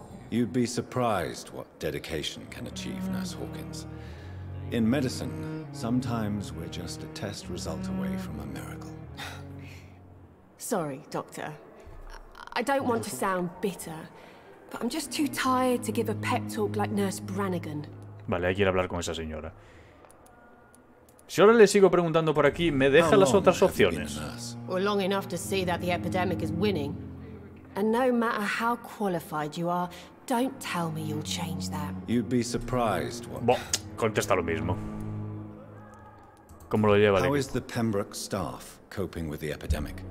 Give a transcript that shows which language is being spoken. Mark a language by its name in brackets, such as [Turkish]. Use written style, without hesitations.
[English] You'd be surprised what dedication can achieve, Nurse Hawkins. In medicine, sometimes we're just a test result away from a miracle. Sorry, doctor. I don't want to sound bitter, but I'm just too tired to give a pep talk like Nurse Branigan. [Spanish] Vale, hay que ir a hablar con esa señora. Si ahora le sigo preguntando por aquí, me deja las otras opciones. [English] Well, long enough to see that the epidemic is winning. And no matter how qualified you are, don't tell me you'll change that. You'd be surprised. [Spanish] Bueno, contesta lo mismo. ¿Cómo lo lleva? [English] How is the Pembroke staff coping with the epidemic?